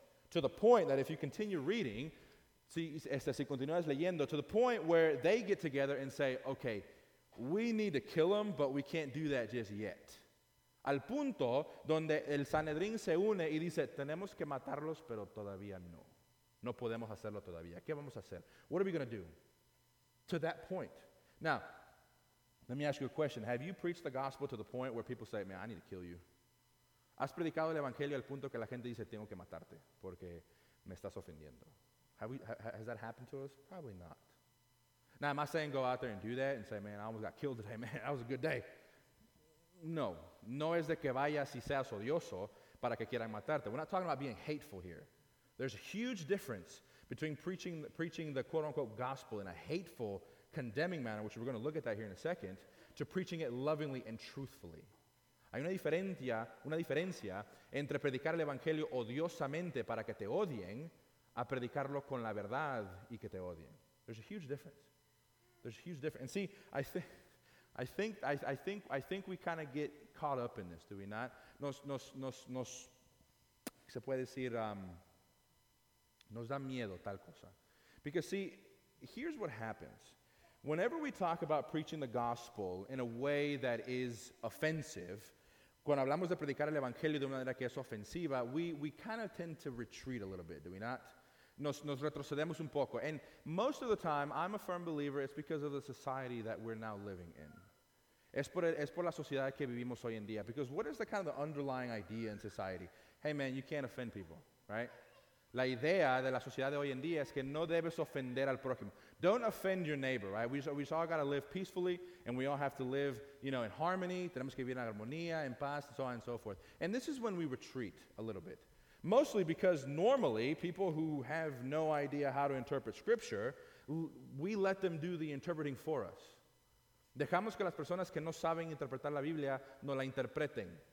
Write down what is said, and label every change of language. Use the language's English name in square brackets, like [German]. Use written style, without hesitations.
[English] To the point that if you continue reading, [Spanish] si continúas leyendo, [English] to the point where they get together and say, okay, we need to kill him, but we can't do that just yet. [Spanish] Al punto donde el Sanedrín se une y dice, tenemos que matarlos, pero todavía no. No podemos hacerlo todavía. ¿Qué vamos a hacer? [English] What are we going to do? To that point. Now, let me ask you a question. Have you preached the gospel to the point where people say, man, I need to kill you? [Spanish] ¿Has predicado el evangelio al punto que la gente dice, tengo que matarte porque me estás ofendiendo? [English] Has that happened to us? Probably not. Now, am I saying go out there and do that and say, man, I almost got killed today, man, that was a good day? No. [Spanish] No es de que vayas y seas odioso para que quieran matarte. [English] We're not talking about being hateful here. There's a huge difference between preaching the quote-unquote gospel in a hateful, condemning manner, which we're going to look at that here in a second, to preaching it lovingly and truthfully. [Spanish] Hay una diferencia entre predicar el evangelio odiosamente para que te odien a predicarlo con la verdad y que te odien. [English] There's a huge difference. There's a huge difference. And see, I think we kind of get caught up in this, do we not? [Spanish] Nos se puede decir, nos da miedo tal cosa. [English] Because see, here's what happens. Whenever we talk about preaching the gospel in a way that is offensive, [Spanish] cuando hablamos de predicar el evangelio de una manera que es ofensiva, [English] we kind of tend to retreat a little bit, do we not? [Spanish] Nos retrocedemos un poco. [English] And most of the time, I'm a firm believer, it's because of the society that we're now living in. [Spanish] Es por la sociedad que vivimos hoy en día. [English] Because what is the kind of the underlying idea in society? Hey man, you can't offend people, right? [Spanish] La idea de la sociedad de hoy en día es que no debes ofender al prójimo. [English] Don't offend your neighbor, right? We just all got to live peacefully, and we all have to live, you know, in harmony. [Spanish] Tenemos que vivir en armonía, en paz, [English] and so on and so forth. [Spanish] And this is when we retreat a little bit. [English] Mostly because normally people who have no idea how to interpret Scripture, we let them do the interpreting for us. [Spanish] Dejamos que las personas que no saben interpretar la Biblia no la interpreten.